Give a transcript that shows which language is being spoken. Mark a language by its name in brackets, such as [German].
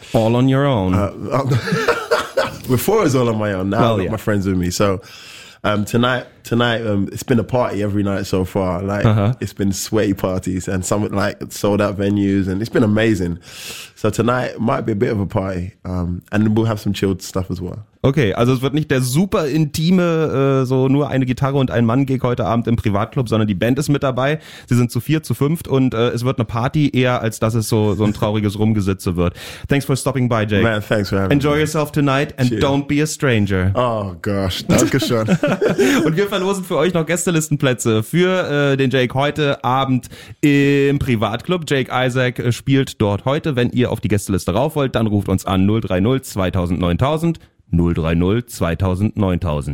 [English] All on your own? Before it was all on my own, now I've got my friends with me. So tonight, it's been a party every night so far. Like it's been sweaty parties and some like sold out venues and it's been amazing. So tonight might be a bit of a party and we'll have some chilled stuff as well. [German] Okay, also es wird nicht der super intime, so nur eine Gitarre und ein Mann-Gig heute Abend im Privatclub, sondern die Band ist mit dabei. Sie sind zu vier, zu fünft und es wird eine Party eher, als dass es so ein trauriges Rumgesitze wird. [English] Thanks for stopping by, Jake. Man, thanks for having me. Enjoy yourself tonight and don't be a stranger. Oh gosh, [German] danke schön. Und wir verlosen für euch noch Gästelistenplätze für den Jake heute Abend im Privatclub. Jake Isaac spielt dort heute. Wenn ihr auf die Gästeliste rauf wollt, dann ruft uns an 030 2000 9000. 030 2000 9000.